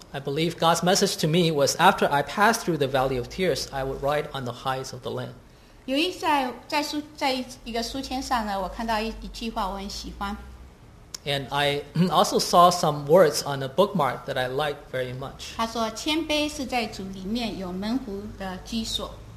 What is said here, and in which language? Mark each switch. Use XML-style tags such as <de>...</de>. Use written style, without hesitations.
<en>I believe God's message to me was after I passed through the valley of tears, I would ride on the heights of the land.</en> <zh>有一在一个书签上呢，我看到一句话我很喜欢。</zh> <en>And I also saw some words on a bookmark that I like very much.</en> <zh>他说，谦卑是在主里面有门徒的居所。</zh>